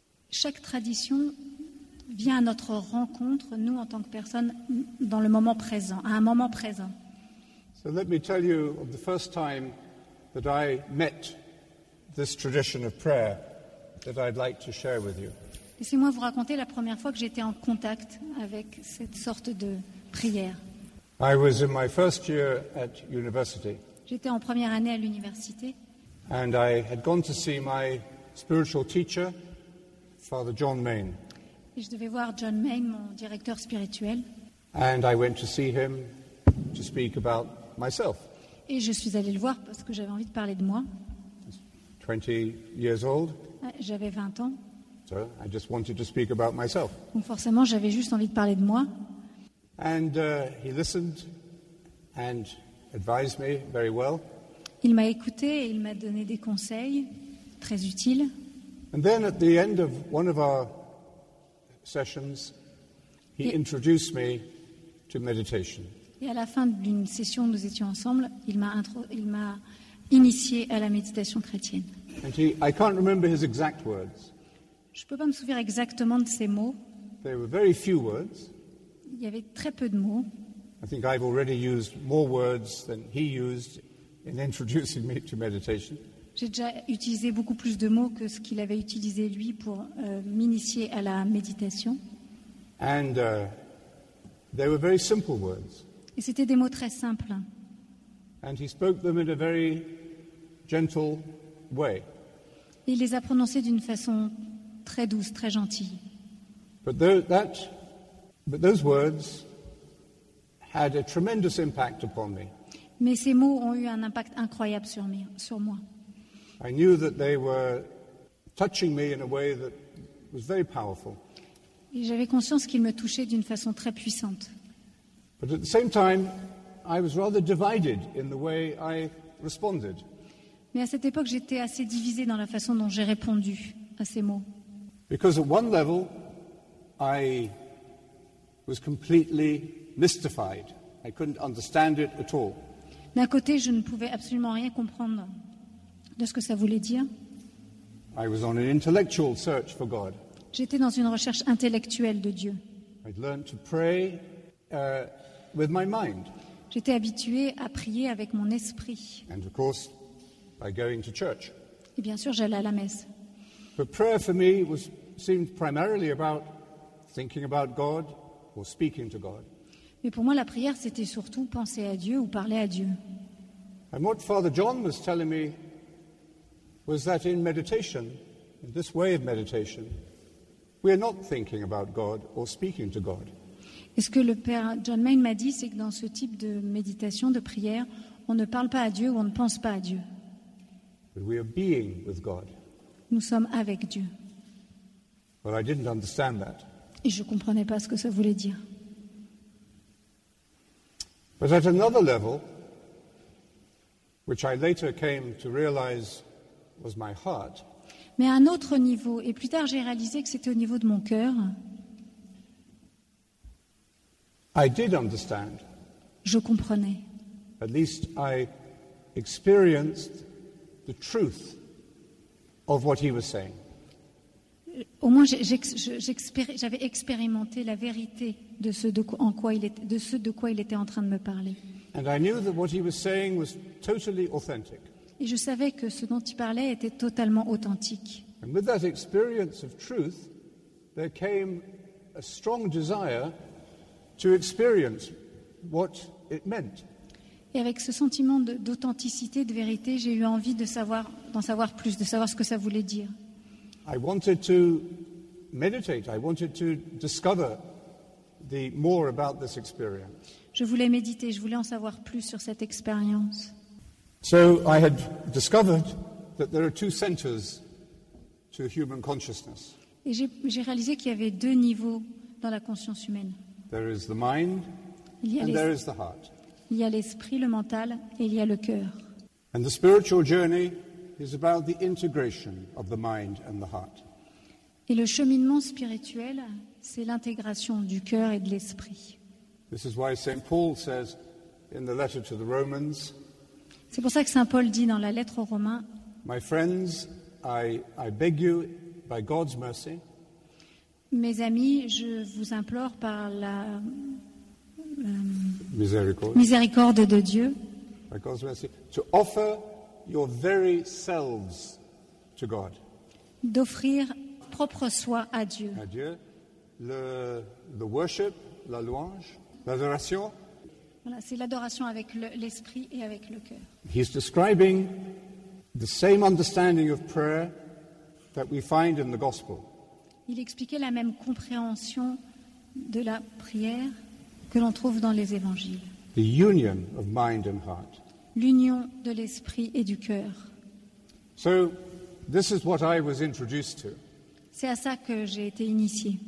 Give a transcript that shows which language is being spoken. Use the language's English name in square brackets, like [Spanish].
[French] Chaque tradition vient à notre rencontre, nous en tant que personnes, dans le moment présent, à un moment présent. [English] So let me tell you of the first time that I met this tradition of prayer that I'd like to share with you. [French] Laissez-moi vous raconter la première fois que j'étais en contact avec cette sorte de prière. [English] I was in my first year at university. [French] J'étais en première année à l'université. [English] And I had gone to see my spiritual teacher, Father John Main. [French] Et je devais voir John Main, mon directeur spirituel. [English] And I went to see him to speak about myself. [French] Et je suis allée le voir parce que j'avais envie de parler de moi. [English] 20 years old. [French] J'avais 20 ans. [English] So I just wanted to speak about myself. [French] Donc forcément, j'avais juste envie de parler de moi. [English] And he listened and advised me very well. [French] Il m'a écouté et il m'a donné des conseils très utiles. [English] And then at the end of one of our sessions, he introduced me to meditation. [French] Et à la fin d'une session où nous étions ensemble, il m'a initié à la méditation chrétienne. [English] And I can't remember his exact words. [French] Je ne peux pas me souvenir exactement de ses mots. [English] There were very few words. [French] Il y avait très peu de mots. [English] I think I've already used more words than he used in introducing me to meditation. [French] J'ai déjà utilisé beaucoup plus de mots que ce qu'il avait utilisé lui pour m'initier à la méditation. [English] And they were very simple words. [French] Et c'était des mots très simples. [English] And he spoke them in a very gentle way. [French] Il les a prononcés d'une façon très douce, très gentille. [English] But those words had a tremendous impact upon me. [French] Mais ces mots ont eu un impact incroyable sur moi. [English] I knew that they were touching me in a way that was very powerful. [French] Et j'avais conscience qu'ils me touchaient d'une façon très puissante. [English] But at the same time, I was rather divided in the way I responded. [French] Mais à cette époque, j'étais assez divisée dans la façon dont j'ai répondu à ces mots. [English] Because at one level, I was completely mystified. I couldn't understand it at all. [French] D'un côté, je ne pouvais absolument rien comprendre de ce que ça voulait dire. [English] I was on an intellectual search for God. [French] J'étais dans une recherche intellectuelle de Dieu. [English] I'd learned to pray with my mind. [French] J'étais habitué à prier avec mon esprit. [English] And of course, by going to church. [French] Et bien sûr, j'allais à la messe. [English] But prayer for me seemed primarily about thinking about God or speaking to God. [French] Mais pour moi, la prière, c'était surtout penser à Dieu ou parler à Dieu. [English] And what Father John was telling me was that in meditation, in this way of meditation, we are not thinking about God or speaking to God. [French] Et ce que le père John Main m'a dit, c'est que dans ce type de méditation, de prière, on ne parle pas à Dieu ou on ne pense pas à Dieu. [English] But we are being with God. [French] Nous sommes avec Dieu. [English] Well, I didn't understand that. [French] Et je ne comprenais pas ce que ça voulait dire. [English] But at another level, which I later came to realize was my heart. [French] Mais à un autre niveau, et plus tard j'ai réalisé que c'était au niveau de mon cœur. [English] I did understand. [French] Je comprenais. [English] At least I experienced the truth of what he was saying. [French] Au moins j'avais expérimenté la vérité de ce de quoi il était en train de me parler. [English] And I knew that what he was saying was totally authentic. [French] Et je savais que ce dont il parlait était totalement authentique. [English] And with that experience of truth, there came a strong desire to experience what it meant. [French] Et avec ce sentiment d'authenticité, de vérité, j'ai eu envie d'en savoir plus, de savoir ce que ça voulait dire. [English] I wanted to meditate. I wanted to discover the more about this experience. [French] Je voulais méditer. Je voulais en savoir plus sur cette expérience. [English] So I had discovered that there are two centers to human consciousness. [French] Et j'ai réalisé qu'il y avait deux niveaux dans la conscience humaine. [English] There is the mind, and there is the heart. [French] Il y a l'esprit, le mental, et il y a le cœur. [English] And the spiritual journey is about the integration of the mind and the heart. [French] Et le cheminement spirituel, c'est l'intégration du cœur et de l'esprit. [English] This is why Saint Paul says in the letter to the Romans. [French] C'est pour ça que Saint Paul dit dans la lettre aux Romains. [English] My friends, I beg you by God's mercy. [French] Mes amis, je vous implore par la miséricorde de Dieu. [English] By God's mercy, to offer your very selves to God. [French] D'offrir propre soi à Dieu. À Dieu, [English] the worship, [French] la louange, l'adoration. Voilà, c'est l'adoration avec l'esprit et avec le cœur. [English] He's describing the same understanding of prayer that we find in the gospel. [French] Il expliquait la même compréhension de la prière que l'on trouve dans les évangiles. [English] The union of mind and heart. [French] L'union de l'esprit et du cœur. [English] So, This is what I was introduced to. [French] C'est à ça que j'ai été initié.